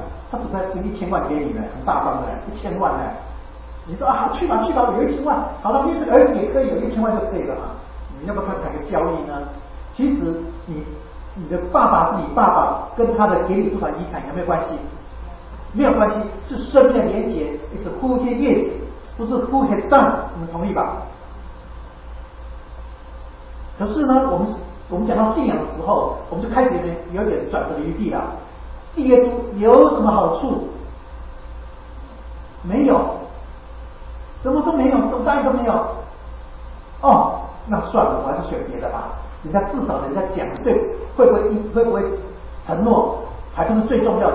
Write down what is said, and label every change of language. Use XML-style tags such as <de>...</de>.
<zh>他总在给1000万给你呢，很大方的，1000万呢。你说啊，去吧去吧，有1000万，好了，因为儿子也可以有1000万就可以了啊。你要不要谈个交易呢？其实你你的爸爸是你爸爸，跟他的给你不少遗产有没有关系？没有关系，是生命的连结。</zh> <en>It's who he is，</en> <zh>不是</zh> <en>who has done。</en> <zh>你们同意吧？可是呢，我们讲到信仰的时候，我们就开始有点转折的余地了。信耶稣有什么好处？没有，什么都没有，什么待遇都没有。哦，那算了，我还是选别的吧。人家至少人家讲对，会不会承诺，还不是最重要。</zh>